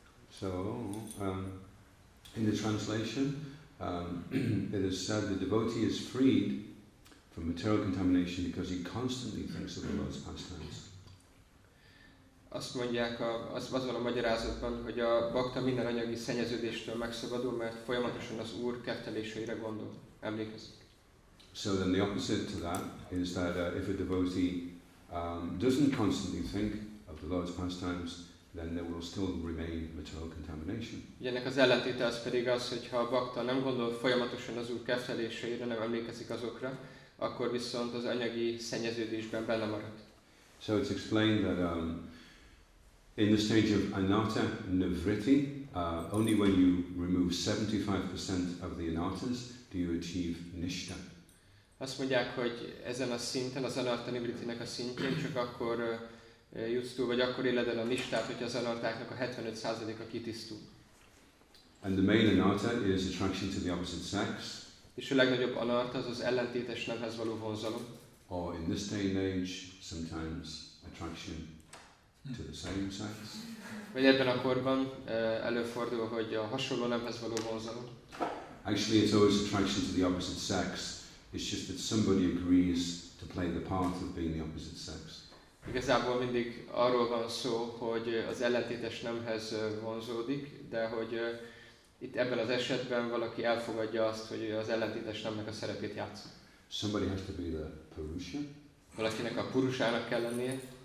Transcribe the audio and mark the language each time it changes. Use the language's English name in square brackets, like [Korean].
[English] So, in the translation, it is said the devotee is freed from material contamination because he constantly thinks of the Lord's pastimes. [Hungarian] Azt mondják azon a magyarázatban, hogy a bhakta minden anyagi szennyeződéstől megszabadul, mert folyamatosan az Úr ketteléseire gondol, emlékezik. [English] So then the opposite to that is that if a devotee doesn't constantly think of the Lord's pastimes, then there will still remain material contamination. [Hungarian] Ennek az ellentéte az pedig az, hogy ha a bhakta nem gondol folyamatosan az Úr ketteléseire, nem emlékezik azokra, akkor viszont az anyagi szennyeződésben benne marad. [English] So it's explained that in the stage of anatta nivritti, only when you remove 75% of the anattas do you achieve nishta. [Hungarian] Azt mondják, hogy ezen a szinten, az anatta nivrittinek a szintjén csak akkor jutsz túl, vagy akkor éled el a nishtát, hogyha az anattáknak a 75%-a kitisztul. [English] And the main anatta is attraction to the opposite sex. [Hungarian] És a legnagyobb anatta az ellentétes nemhez való vonzalom. [English] Or in this day and age, sometimes attraction to the same sex. [Hungarian] Vagy ebben a korban előfordul, hogy a hasonló nemhez való vonzalom. [English] Actually, it's always attraction to the opposite sex. It's just that somebody agrees to play the part of being the opposite sex. [Hungarian] Igazából mindig arról van szó, hogy az ellentétes nemhez vonzódik, de hogy itt ebben az esetben valaki elfogadja azt, hogy az ellentétes nemnek a szerepét játszik. [English] Somebody has to be the purusha. [Hungarian] Valakinek a purusának kell lennie.